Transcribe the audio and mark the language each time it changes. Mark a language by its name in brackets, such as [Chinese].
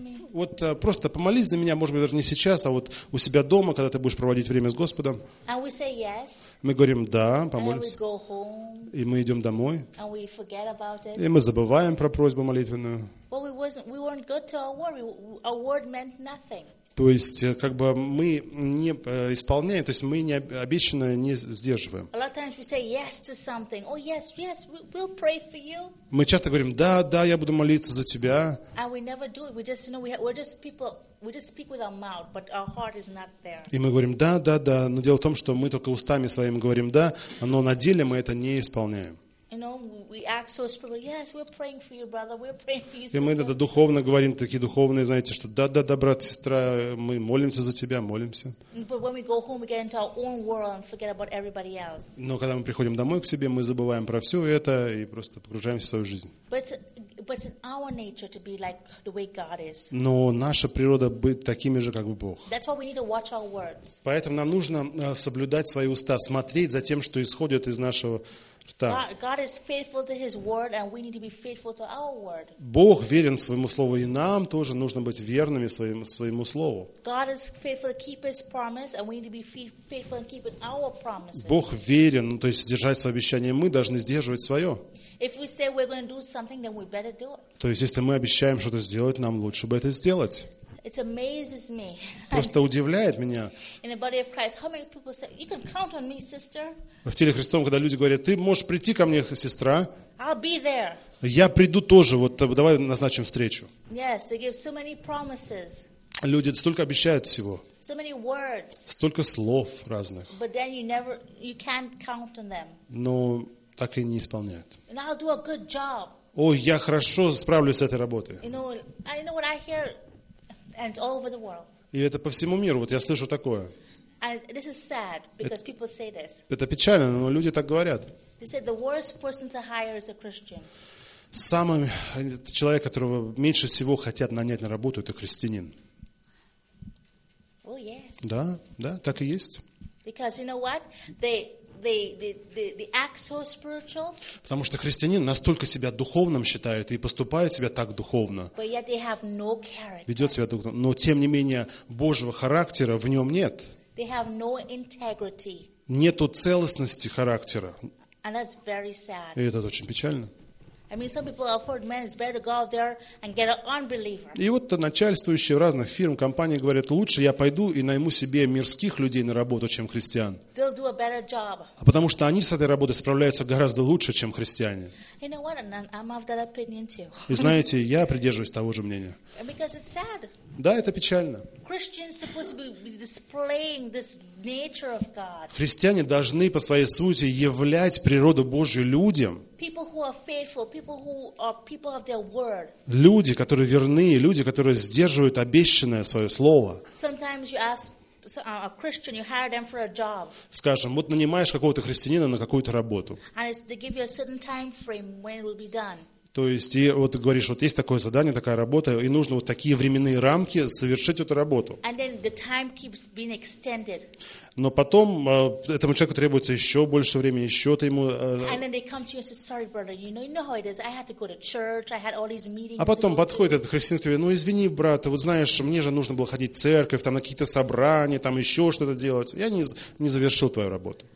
[Russian] Вот просто помолись за меня, может быть, даже не сейчас, а вот у себя дома, когда ты будешь проводить время с Господом. [English] And we say yes. [Russian] Мы говорим, да, помолись. [English] And then we go home. [Russian] И мы идем домой. [English] And we forget about it. [Russian] И мы забываем про просьбу молитвенную. [English] But we weren't good to our word. Our word meant nothing. [Russian] То есть, как бы мы не исполняем, то есть мы не обещанное не сдерживаем. [English] A lot of times we say yes to something. Oh, yes, yes, we'll pray for you. [Russian] Мы часто говорим, да, да, я буду молиться за тебя. [English] And we never do it. We just, you know, we're just people, we just speak with our mouth, but our heart is not there. [Russian] И мы говорим, да, да, да, но дело в том, что мы только устами своими говорим да, но на деле мы это не исполняем. [English] You know, we act so spiritual. Yes, we're praying for you, brother. We're praying for you, sister. [Russian] И мы тогда духовно говорим такие духовные, знаете, что да, да, да, брат, сестра, мы молимся за тебя, молимся. [English] But when we go home, we get into our own world and forget about everybody else. [Russian] Но когда мы приходим домой к себе, мы забываем про все это и просто погружаемся в свою жизнь. [English] But it's in our nature to be like the way God is. [Russian] Но наша природа быть такими же, как Бог. [English] That's why we need to watch our words. [Russian] Поэтому нам нужно соблюдать свои уста, смотреть за тем, что исходит из нашего. [English] God is faithful to His word, and we need to be faithful to our word. [Russian] Бог верен своему слову, и нам тоже нужно быть верными своему слову. [English] God is faithful to keep His promise, and we need to be faithful in keeping our promises. [Russian] Бог верен, то есть сдержать свое обещание, мы должны сдерживать свое. [English] If we say we're going to do something, then we better do it. [Russian] То есть если мы обещаем что-то сделать, нам лучше бы это сделать. [English] It amazes me. [Russian] Просто удивляет меня. [English] In the body of Christ, how many people say, "You can count on me, sister"? [Russian] В теле Христовом, когда люди говорят, ты можешь прийти ко мне, сестра? [English] I'll be there. Я приду тоже. [Russian] Вот давай назначим встречу. [English] Yes, they give so many promises. [Russian] Люди столько обещают всего. [English] So many words. [Russian] Столько слов разных. [English] But then you can't count on them. [Russian] Но так и не исполняют. [English] And I'll do a good job. [Russian] О, я хорошо справлюсь с этой работой. [English] You know what I hear? And all over the world. [Russian] И это по всему миру. Вот я слышу такое. [English] And this is sad because people say this. [Russian] Это печально, но люди так говорят. [English] They say the worst person to hire is a Christian. [Russian] Самый человек, которого меньше всего хотят нанять на работу, это христианин. [English] Oh yes. [Russian] Да, да, так и есть. [English] Because you know what they act so spiritual. [Russian] Потому что христианин настолько себя духовным считает и поступает себя так духовно. [English] But yet they have no character. [Russian] Ведет себя духовно, но тем не менее Божьего характера в нем нет. [English] They have no integrity. [Russian] Нету целостности характера. [English] And that's very sad. [Russian] И это очень печально. [English] I mean, some people have heard, man, it's better to go out there and get an unbeliever. [Russian] И вот начальствующие в разных фирм, компании говорят, лучше я пойду и найму себе мирских людей на работу, чем христиан. [English] They'll do a better job. [Russian] А потому что они с этой работой справляются гораздо лучше, чем христиане. [English] You know what? I'm of that opinion too. [Russian] И знаете, я придерживаюсь того же мнения. [English] And because it's sad. [Russian] Да, это печально. [English] Christians supposed to be displaying this nature of God. [Russian] Христиане должны по своей сути являть природу Божью людям. [English] People who are faithful, people who are people of their word. [Russian] Люди, которые верны, люди, которые сдерживают обещанное свое слово. [English] Sometimes you ask a Christian, you hire them for a job. [Russian] Скажем, вот нанимаешь какого-то христианина на какую-то работу. [English] And they give you a certain time frame when it will be done. [Russian] То есть, и вот ты говоришь, вот есть такое задание, такая работа, и нужно вот такие временные рамки совершить эту работу. [English] And then the time keeps being extended. [Russian] Но потом этому человеку требуется еще больше времени, еще ты ему... [English] And then they come to you and say, sorry, brother, you know how it is, I had to go to church, I had all these meetings. [Russian] А потом подходит этот христианин к тебе, ну извини, брат, вот знаешь, мне же нужно было ходить в церковь, там на какие-то собрания, там еще что-то делать. Я не завершил твою работу.